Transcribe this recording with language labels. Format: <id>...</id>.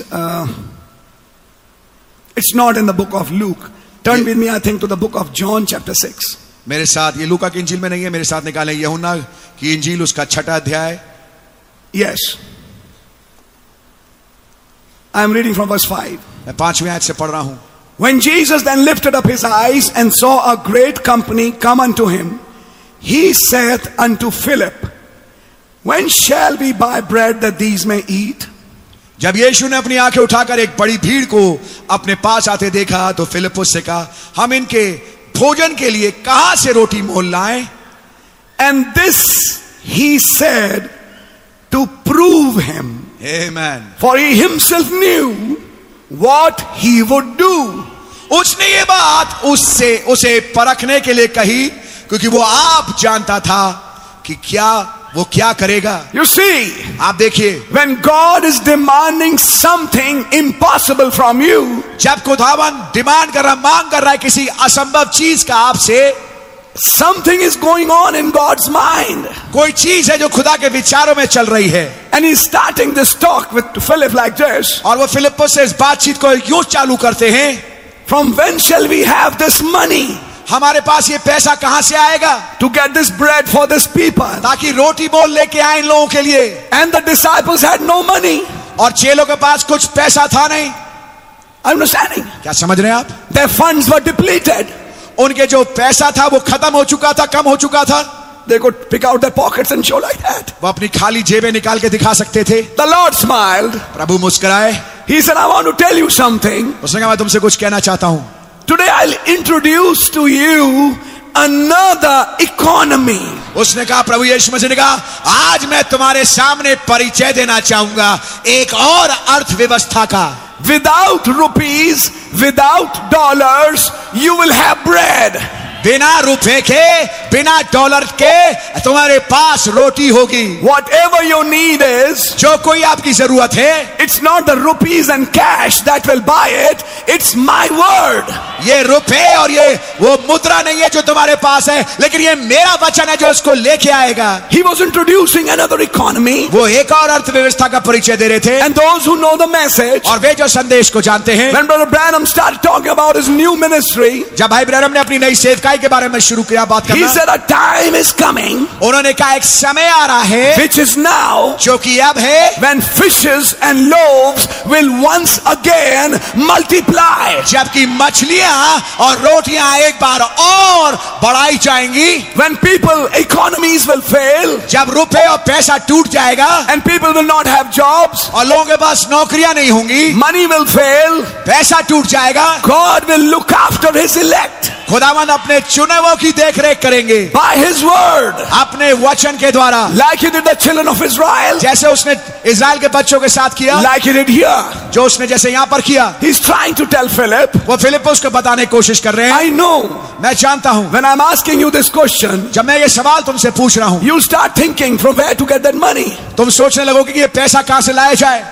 <en>It's not in the book of Luke. Turn with me, I think, to the book of John, chapter 6.</en> <hi>मेरे साथ ये लूका की इंजील में नहीं है, मेरे साथ निकालें यूहन्ना की इंजील उसका छठा अध्याय.</hi> <en>Yes. I am reading from verse 5.</en> <hi>मैं पांचवी आयत से पढ़ रहा हूं.</hi> <en>When Jesus then lifted up his eyes and saw a great company come unto him, he saith unto Philip, When shall we buy bread that these may eat?</en> <hi>जब यीशु ने अपनी आंखें उठाकर एक बड़ी भीड़ को अपने पास आते देखा तो फिलिप से कहा, हम इनके भोजन के लिए कहां से रोटी मोल लाएं?</hi> <en>And this he said to prove him. Amen. For he himself knew what he would do.</en> <hi>उसने ये बात उससे उसे परखने के लिए कही क्योंकि वो आप जानता था कि क्या वो क्या करेगा.</hi> <en>You see,</en> <hi>आप देखिए,</hi> <en>when God is demanding something impossible from you,</en> <hi>जब खुदावन डिमांड कर रहा है, मांग कर रहा है किसी असंभव चीज का आपसे,</hi> <en>something is going on in God's mind.</en> <hi>कोई चीज है जो खुदा के विचारों में चल रही है.</hi> <en>And he's starting this talk with Philip like this.</en> <hi>और वो फिलिप्पुस से इस बातचीत को यूं चालू करते हैं.</hi> <en>From when shall we have this money?</en> <hi>हमारे पास ये पैसा कहां से आएगा?</hi> <en>To get this bread for this people.</en> <hi>ताकि रोटी बोल लेके आए इन लोगों के लिए.</hi> <en>And the disciples had no money.</en> <hi>और चेलों के पास कुछ पैसा था नहीं.</hi> <en>Understanding?</en> <hi>क्या समझ रहे हैं आप?</hi> <en>Their funds were depleted.</en> <hi>उनके जो पैसा था वो खत्म हो चुका था, कम हो चुका था.</hi> <en>They could pick out their pockets and show like that.</en> <hi>वो अपनी खाली जेबें निकाल के दिखा सकते थे.</hi> <en>The Lord smiled.</en> <hi>प्रभु मुस्कुराए.</hi> <en>He said, I want to tell you something.</en> <hi>उसने कहा, मैं तुमसे कुछ कहना चाहता हूं.</hi> <en>Today I'll introduce to you another economy.</en> <hi>उसने कहा, प्रभु यीशु मसीह ने कहा, आज मैं तुम्हारे सामने परिचय देना चाहूंगा एक और अर्थव्यवस्था का.</hi> <en>Without rupees, without dollars, you will have bread.</en> <hi>बिना रुपए के, बिना डॉलर के तुम्हारे पास रोटी होगी.</hi> <en>Whatever your need is,</en> <hi>जो कोई आपकी जरूरत है,</hi> <en>it's not the rupees and cash that will buy it, it's my word.</en> <hi>ये रुपए और ये वो मुद्रा नहीं है जो तुम्हारे पास है, लेकिन ये मेरा वचन है जो उसको लेके आएगा.</hi> <en>He was introducing another economy.</en> <hi>वो एक और अर्थव्यवस्था का परिचय दे रहे थे.</hi> <en>And those who know the message,</en> <hi>और वे जो संदेश को जानते हैं,</hi> <en>when Brother Branham started talking about his new ministry,</en> <hi>जब भाई ब्रैनम ने अपनी नई सेवा के बारे में शुरू किया बात करना,</hi> <en>He said, a time is coming,</en> <hi>उन्होंने कहा एक समय आ रहा है,</hi> <en>which is now,</en> <hi>जो कि अब है,</hi> <en>when fishes and loaves will once again multiply,</en> <hi>जबकि मछलियां और रोटियां एक बार और बढ़ाई जाएंगी,</hi> <en>when people economies will fail,</en> <hi>जब रुपए और पैसा टूट जाएगा,</hi> <en>and people will not have jobs,</en> <hi>और लोगों के पास नौकरियां नहीं होंगी,</hi> <en>money will fail,</en> <hi>पैसा टूट जाएगा,</hi> <en>God will look after his elect.</en> <hi>खुदावंद अपने चुनावों की देखरेख करेंगे.</hi> <en>By his word,</en> <hi>अपने वचन के द्वारा.</hi> <en>Like he did the children of Israel,</en> <hi>जैसे उसने इज़राइल के बच्चों के साथ किया.</hi> <en>Like he did here,</en> <hi>जो उसने जैसे यहाँ पर किया.</hi> <en>He's trying to tell Philip,</en> <hi>वो फिलिप उसको बताने की कोशिश कर रहे हैं.</hi> <en>I know,</en> <hi>मैं जानता हूँ.</hi> <en>When I'm asking you this question,</en> <hi>जब मैं ये सवाल तुमसे पूछ रहा हूँ,</hi> <en>you start thinking from where to get that money.</en> <hi>तुम सोचने लगोगे कि ये पैसा कहाँ से लाया जाए.</hi>